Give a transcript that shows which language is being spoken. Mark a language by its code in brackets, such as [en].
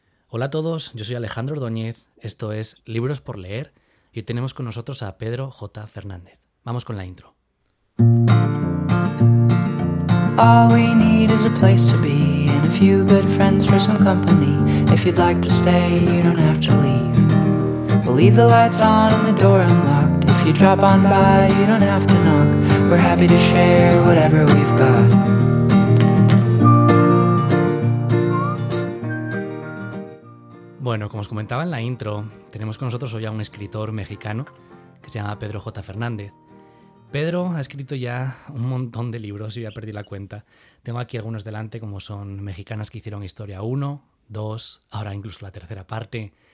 [es] Hola a todos, yo soy Alejandro Ordóñez, esto es Libros por Leer y hoy tenemos con nosotros a Pedro J. Fernández. Vamos con la intro. [en] All we need is a place to be and a few good friends for some company. If you'd like to stay, you don't have to leave. We'll leave the lights on and the door unlocked. If you drop on by, you don't have to knock. We're happy to share whatever we've got. [es] Bueno, como os comentaba en la intro, tenemos con nosotros hoy a un escritor mexicano que se llama Pedro J. Fernández. Pedro ha escrito ya un montón de libros y ya perdí la cuenta. Tengo aquí algunos delante, como son Mexicanas que hicieron historia 1, 2, ahora incluso la tercera parte.